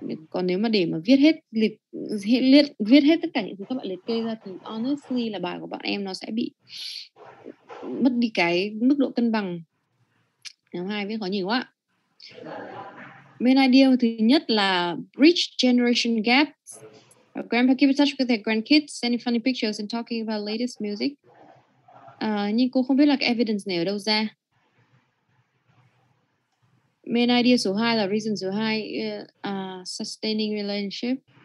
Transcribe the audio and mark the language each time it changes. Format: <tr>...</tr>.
<vi>Còn nếu mà để mà viết hết tất cả những thứ các bạn liệt kê ra thì honestly là bài của bọn em nó sẽ bị mất đi cái mức độ cân bằng. Nhóm 2 viết khó nhiều quá. Main idea thứ nhất là</vi> <en>bridge generation gap. Grandpa keep in touch with their grandkids, sending funny pictures and talking about latest music.</en> <vi>Nhưng cô không biết là cái evidence này ở đâu ra. Main idea số 2 là reason số 2,</vi> <en>sustaining relationship.</en>